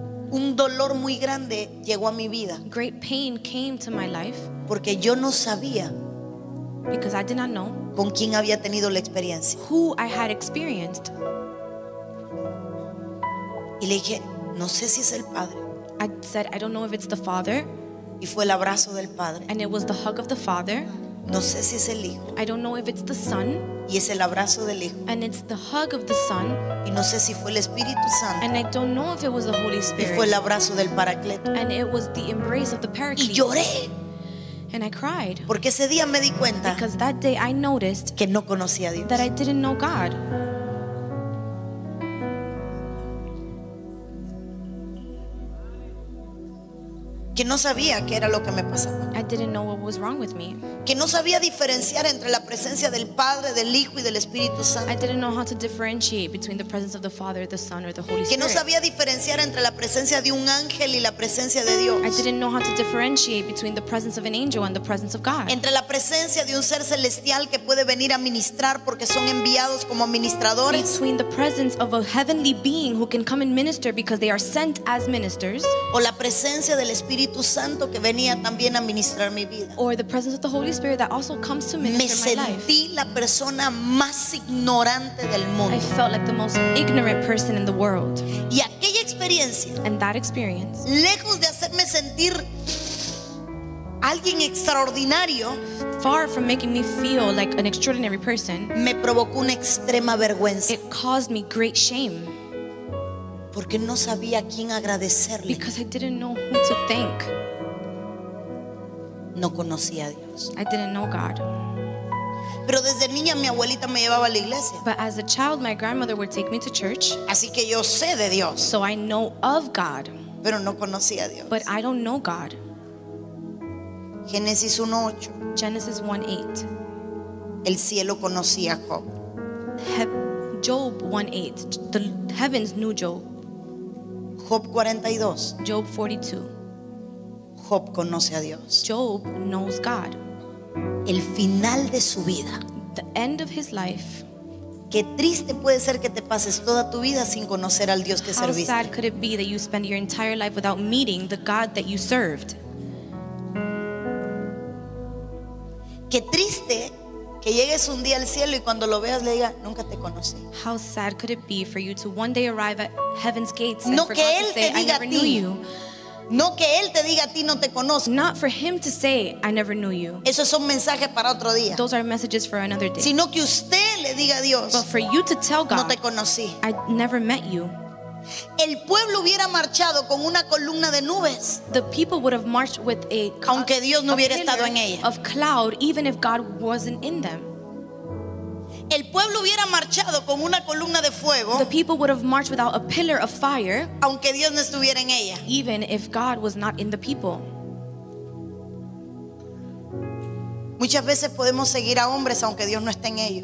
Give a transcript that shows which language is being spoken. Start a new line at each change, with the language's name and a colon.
Spanish: un dolor muy grande llegó a mi vida.
English: Great pain came to my life.
Spanish: Porque yo no sabía,
English: because I did not know,
Spanish: con quién había tenido la experiencia.
English: Who I had experienced.
Spanish: Y le dije, no sé si es el Padre.
English: I said, I don't know if it's the Father.
Spanish: Y fue el abrazo del Padre.
English: And it was the hug of the Father.
Spanish: No sé si es el Hijo.
English: I don't know if it's the Son.
Spanish: Y es el abrazo del Hijo.
English: And it's the hug of the Son.
Spanish: Y no sé si fue el Espíritu Santo.
English: And I don't know if it was the Holy Spirit.
Spanish: Y fue el abrazo del Paracleto.
English: And it was the embrace of the Paraclete.
Spanish: Y lloré.
English: And I cried.
Spanish: Porque ese día me di cuenta,
English: because that day I noticed,
Spanish: que no conocía a Dios.
English: That I didn't know God.
Spanish: Que no sabía qué era lo que me pasaba.
English: I didn't know what was wrong with me.
Spanish: Que no sabía diferenciar entre la presencia del Padre, del Hijo y del Espíritu Santo.
English: I didn't know how to differentiate between the presence of the Father, the Son, or the Holy Spirit.
Spanish: Que no sabía diferenciar entre la presencia de un ángel y la presencia de Dios.
English: I didn't know how to differentiate between the presence of an angel and the presence of God.
Spanish: Entre la presencia de un ser celestial que puede venir a ministrar porque son enviados como administradores.
English: Between the presence of a heavenly being who can come and minister because they are sent as ministers.
Spanish: O la presencia del Espíritu Santo que venía también a ministrar mi vida.
English: Or the presence of the Holy Spirit that also comes to minister
Spanish: me sentí
English: my life.
Spanish: La persona más ignorante del mundo.
English: I felt like the most ignorant person in the world.
Spanish: Y aquella experiencia,
English: and that experience,
Spanish: lejos de hacerme sentir alguien extraordinario,
English: far from making me feel like an extraordinary person,
Spanish: me provocó una extrema vergüenza.
English: It caused me great shame.
Spanish: Porque no sabía a quién agradecerle.
English: Because I didn't know who to thank.
Spanish: No conocía a Dios.
English: I didn't know God.
Spanish: Pero desde niña mi abuelita me llevaba a la iglesia.
English: But as a child my grandmother would take me to church.
Spanish: Así que yo sé de Dios.
English: So I know of God.
Spanish: Pero no conocía a Dios.
English: But I don't know God.
Spanish: Génesis 1:8.
English: Genesis 1:8.
Spanish: El cielo conocía a Job.
English: Job 1:8. The heavens knew Job.
Spanish: Job 42.
English: Job 42.
Spanish: Job conoce a Dios.
English: Job knows God.
Spanish: El final de su vida.
English: The end of his life.
Spanish: Qué triste puede ser que te pases toda tu vida sin conocer al Dios que serviste.
English: How sad could it be that you spend your entire life without meeting the God that you served?
Spanish: Qué triste Que llegues un día al cielo y cuando lo veas le diga, nunca te conocí.
English: How sad could it be for you to one day arrive at heaven's gates
Spanish: no
English: and for God to say, I never knew you.
Spanish: No que él te diga a ti no te conozco.
English: Not for him to say I never knew you.
Spanish: Esos son mensajes para otro día.
English: Those are messages for another day.
Spanish: Sino que usted le diga a Dios.
English: But for you to tell God,
Spanish: no te conocí.
English: I never met you.
Spanish: El pueblo hubiera marchado con una columna de nubes.
English: The people would have marched with a
Spanish: aunque Dios no hubiera estado en ella.
English: Of cloud even if God wasn't in them.
Spanish: El pueblo hubiera marchado con una columna de fuego.
English: The people would have marched without a pillar of fire.
Spanish: Aunque Dios no estuviera en ella.
English: Even if God was not in the people.
Spanish: Muchas veces podemos seguir a hombres aunque Dios no esté en ellos.